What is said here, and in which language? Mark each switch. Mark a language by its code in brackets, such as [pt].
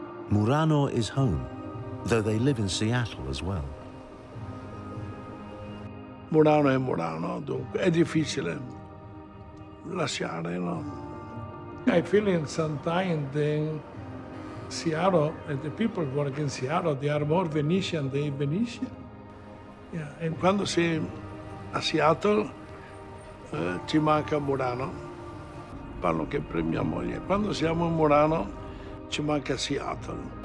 [en] Murano is home, though they live in Seattle as well. [it] Murano è Murano, dunque, è difficile lasciare, no? [en] I feel in sometimes in Seattle, and the people work in Seattle, they are more Venetian than Venetian. Yeah, and [it] quando sei a Seattle, ci manca Murano. Parlo che per mia moglie. Quando siamo in Murano, ci manca Seattle.